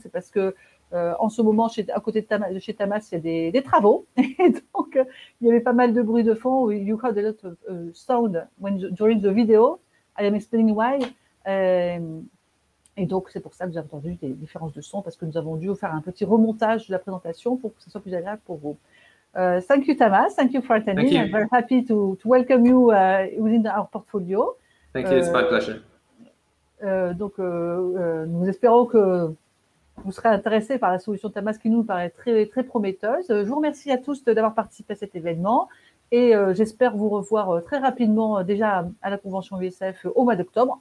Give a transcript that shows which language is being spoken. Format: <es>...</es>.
<fr>C'est parce que en ce moment, chez Thomas, il y a des travaux. Et donc il y avait pas mal de bruit de fond.</fr> <en>You heard a lot of sound during the video. I am explaining why.</en> <fr>Et donc, c'est pour ça que vous avez entendu des différences de son, parce que nous avons dû faire un petit remontage de la présentation pour que ce soit plus agréable pour vous.</fr> <en>Thank you, Thomas. Thank you for attending. You. I'm very happy to welcome you within our portfolio. Thank you. It's my pleasure.</en> <fr>Nous espérons que vous serez intéressé par la solution Thomas qui nous paraît très, très prometteuse. Je vous remercie à tous d'avoir participé à cet événement et j'espère vous revoir très rapidement déjà à la convention USF au mois d'octobre.</fr>